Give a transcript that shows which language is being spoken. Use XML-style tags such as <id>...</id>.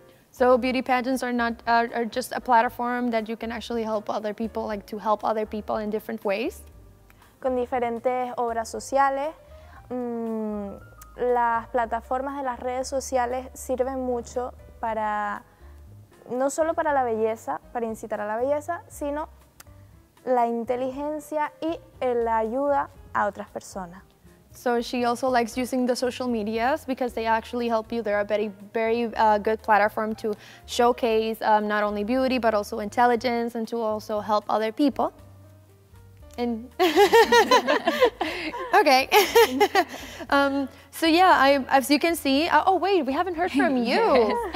<en>So beauty pageants are not are just a platform that you can actually help other people, like to help other people in different ways.</en> <es>Con diferentes obras sociales, las plataformas de las redes sociales sirven mucho para no solo para la belleza, para incitar a la belleza, sino la inteligencia y la ayuda a otras personas.</es> <en>So she also likes using the social medias because they actually help you. They're a very, very good platform to showcase not only beauty, but also intelligence and to also help other people. And okay. So yeah, as you can see, oh wait, we haven't heard from you.</en>